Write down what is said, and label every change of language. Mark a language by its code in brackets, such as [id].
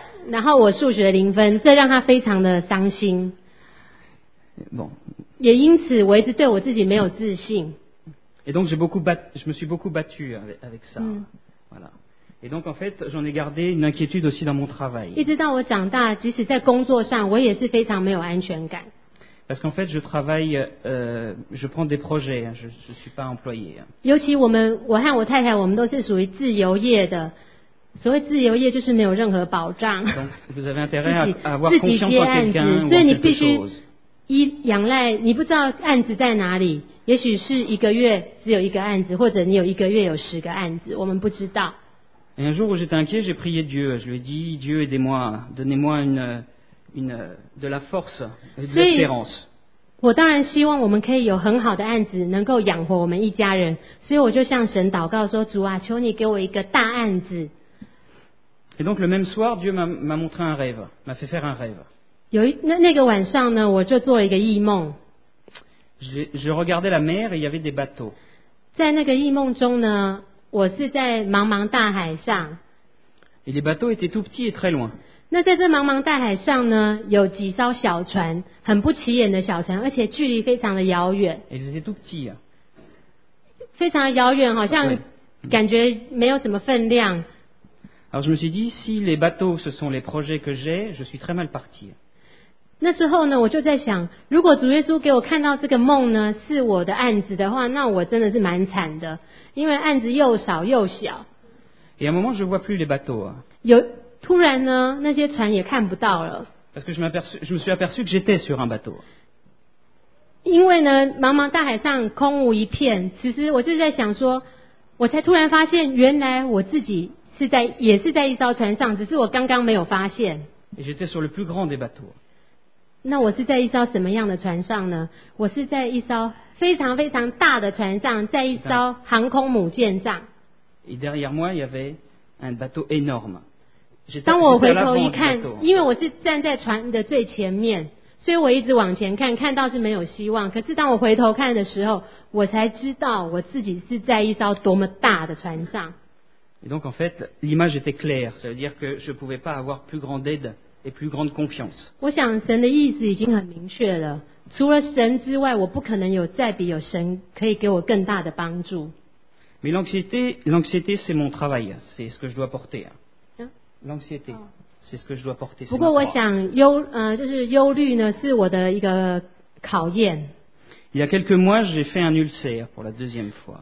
[zh] 然后我数学零分，这让他非常的伤心。 [fr] Bon. [zh] 也因此，我一直对我自己没有自信。 [fr] Et donc je me suis beaucoup battu avec ça. Voilà. Et donc, en fait, j'en ai gardé une inquiétude aussi dans mon travail. [zh] 一直到我长大，即使在工作上，我也是非常没有安全感。 [fr] Parce qu'en fait, je travaille, je prends des projets, je suis pas employé. [zh] 尤其我和我太太，我们都是属于自由业的。所谓自由业，就是没有任何保障。 [fr] Donc, vous avez intérêt à avoir confiance en quelqu'un ou quelque chose. [zh] 所以你必须仰赖，你不知道案子在哪里。也许是一个月只有一个案子，或者你有一个月有十个案子，我们不知道。 [fr] Et un jour où j'étais inquiet, j'ai prié Dieu. Je lui ai dit, Dieu, aidez-moi, donnez-moi une de la force et de l'espérance. [zh] 我当然希望我们可以有很好的案子，能够养活我们一家人。所以我就向神祷告说，主啊，求你给我一个大案子。 [fr] Et donc le même soir, Dieu m'a montré un rêve, m'a fait faire un rêve. [zh] 有那个晚上呢，我就做了一个异梦。 [fr] Je regardais la mer et il y avait des bateaux. [zh] 在那个异梦中呢。我是在茫茫大海上。 [fr] Et les bateaux étaient tout petits et très loin. [zh] 那在这茫茫大海上呢，有几艘小船，很不起眼的小船，而且距离非常的遥远。 [fr] Ils étaient tout petits. [zh] 非常遥远，好像感觉没有什么分量。 [fr] Alors je me suis dit, si les bateaux ce sont les projets que j'ai, je suis très mal parti. [zh] 那时候呢，我就在想，如果主耶稣给我看到这个梦呢，是我的案子的话，那我真的是蛮惨的，因为案子又少又小。 [fr] Et à un moment, je vois plus les bateaux. [zh] 有突然呢，那些船也看不到了。 [fr] Parce que je me suis aperçu que j'étais sur un bateau. [zh] 因为呢，茫茫大海上空无一片。其实我就在想说，我才突然发现，原来我自己。也是在一艘船上，只是我刚刚没有发现。 [fr] J'étais sur le plus grand des bateaux. [zh] 那我是在一艘什么样的船上呢？我是在一艘非常非常大的船上，在一艘航空母舰上。 [fr] Et derrière moi, il y avait un bateau énorme. [zh] 当我回头一看，因为我是站在船的最前面，所以我一直往前看，看到是没有希望。可是当我回头看的时候，我才知道我自己是在一艘多么大的船上。 [fr] Et donc en fait, l'image était claire, ça veut dire que je ne pouvais pas avoir plus grande aide et plus grande confiance. [zh] 我想神的意思已经很明确了，除了神之外，我不可能有再比有神可以给我更大的帮助。 [fr] Mais l'anxiété, c'est mon travail, c'est ce que je dois porter. L'anxiété, c'est ce que je dois porter. [zh] 不过我想忧虑呢，是我的一个考验。 [fr] Il y a quelques mois, j'ai fait un ulcère pour la deuxième fois.